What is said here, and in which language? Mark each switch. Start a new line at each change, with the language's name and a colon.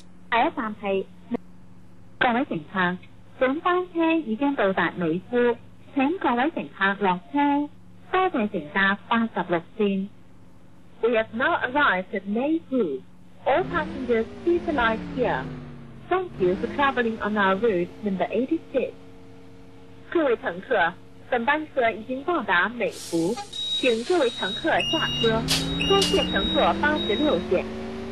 Chinese: 各位乘客，本班车已经到达女夫，请各位乘客落车，多谢乘搭86线。
English: We have now arrived at Meifu. All passengers, please alight here. Thank you for traveling on our route number 86.
Chinese: 各位乘客，本班车已经到达美孚，请各位乘客下车，多谢乘坐86线。